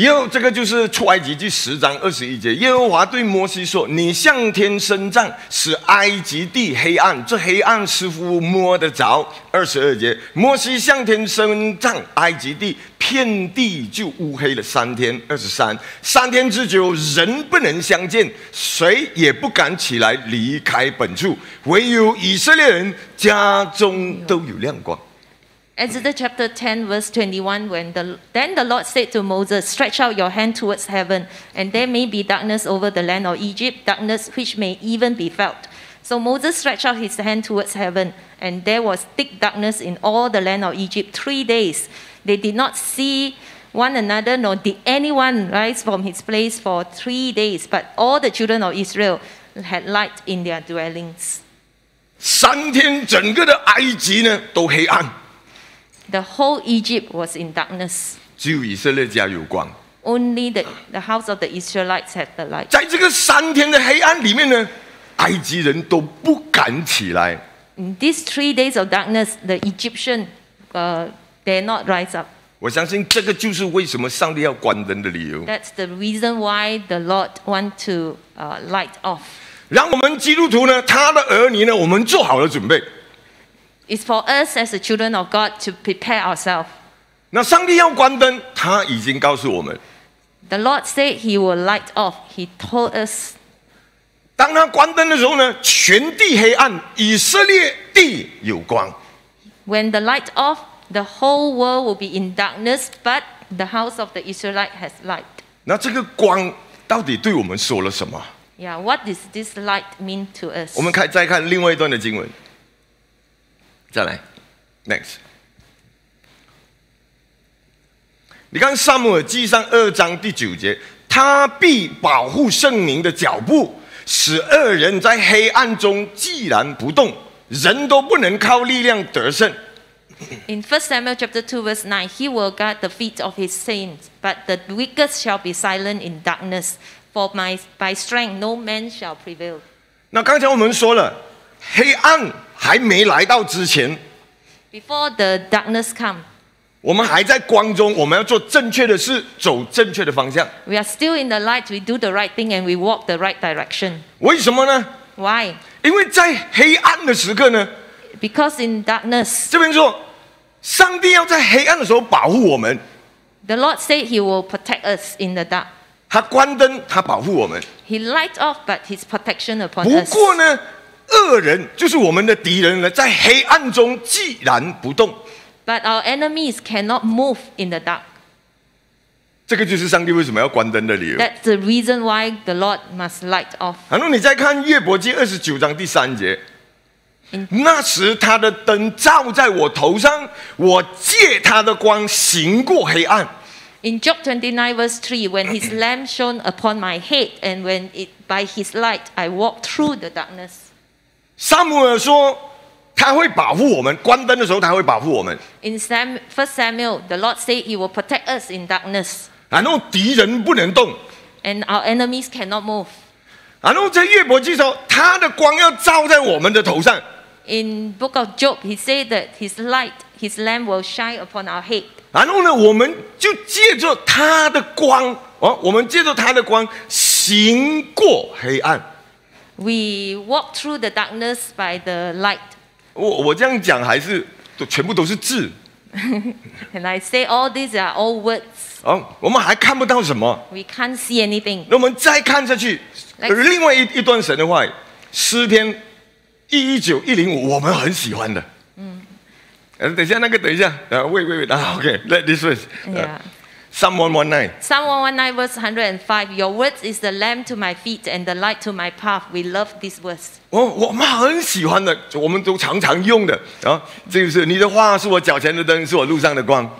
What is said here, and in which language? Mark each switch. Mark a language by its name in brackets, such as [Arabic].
[Chinese] 这个就是出埃及记十章二十一节耶和华对摩西说你向天伸杖使埃及地黑暗这黑暗似乎摸得着二十二节摩西向天伸杖埃及地遍地就乌黑了三天二十三三天之久人不能相见谁也不敢起来离开本处唯有以色列人家中都有亮光 [English] Exodus chapter 10, verse 21, Then the Lord said to Moses, Stretch out your hand towards heaven, and there may be darkness over the land of Egypt, darkness which may even be felt. So Moses stretched out his hand towards heaven, and there was thick darkness in all the land of Egypt 3 days. They did not see one another, nor did anyone rise from his place for 3 days, but all the children of Israel had light in their dwellings. 3 days, [Chinese] 整个的埃及呢都黑暗。 [English] The whole Egypt was in darkness. [Chinese] 只有以色列家有光。 [English] Only the house of the Israelites had the light. [Chinese] 在这个三天的黑暗里面呢，埃及人都不敢起来。 [English] In these 3 days of darkness, the Egyptian, dare not rise up. [Chinese] 我相信这个就是为什么上帝要关灯的理由。 [English] That's the reason why the Lord want to light off. [Chinese] 让我们基督徒呢，他的儿女呢，我们做好了准备。 [English] It's for us as the children of God to prepare ourselves. [Chinese] 那上帝要关灯，他已经告诉我们。 [English] The Lord said He will light off. He told us. [Chinese] 当他关灯的时候呢，全地黑暗，以色列地有光。 [English] When the light off, the whole world will be in darkness, but the house of the Israelite has light. [Chinese] 那这个光到底对我们说了什么？ [English] Yeah, what does this light mean to us? [Chinese] 我们再看另外一段的经文。再来 ， [English] next。 [Chinese] 你看《撒母耳记上》二章第九节，他必保护圣民的脚步，使恶人在黑暗中寂然不动，人都不能靠力量得胜。 [English] In 1 Samuel chapter 2 verse 9, he will guard the feet of his saints, but the wicked shall be silent in darkness. For by strength, no man shall prevail. [Chinese] 那刚才我们说了，黑暗还没来到之前 [English] ，Before the darkness come。 [Chinese] 我们还在光中，我们要做正确的事，走正确的方向。 [English] We are still in the light. We do the right thing and we walk the right direction. [Chinese] 为什么呢 [English] ？Why？ [Chinese] 因为在黑暗的时刻呢 [English] ？Because in darkness. [Chinese] 这边说，上帝要在黑暗的时候保护我们。 [English] The Lord said He will protect us in the dark. [Chinese] 他关灯，他保护我们。 [English] He light off, but His protection upon us. [Chinese] 不过呢，恶人就是我们的敌人呢，在黑暗中寂然不动。 [English] But our enemies cannot move in the dark. [Chinese] 这个就是上帝为什么要关灯的理由。 [English] That's the reason why the Lord must light off. [Chinese] 然后你再看约伯记二十九章第三节，那时他的灯照在我头上，我借他的光行过黑暗。 [English] In Job 29 verse 3, when his lamp shone upon my head, and when it by his light I walked through the darkness. [Chinese] 撒母耳说。他会保护我们，关灯的时候他会保护我们。 [English] In 1 Samuel, the Lord said He will protect us in darkness. [Chinese] 然后敌人不能动。 [English] And our enemies cannot move. [Chinese] 然后在约伯记说，他的光要照在我们的头上。 [English] In Book of Job, He said that His light, His lamp will shine upon our head. [Chinese] 然后呢，我们就借着他的光，我们借着他的光行过黑暗。 [English] We walk through the darkness by the light. [Chinese] 我这样讲还是全部都是字。 [English] And I say all these are all words. [Chinese] 我们还看不到什么。 [English] We can't see anything. [Chinese] 那我们再看下去，另外一段神的话，诗篇119:105，我们很喜欢的。嗯。等一下，那个等一下， [English] wait. Okay, let this verse. Psalm 119 verse 105. Your words is the lamp to my feet and the light to my path. We love this verse. [Chinese] 我们很喜欢的，我们都常常用的啊。这个是你的话是我脚前的灯，是我路上的光。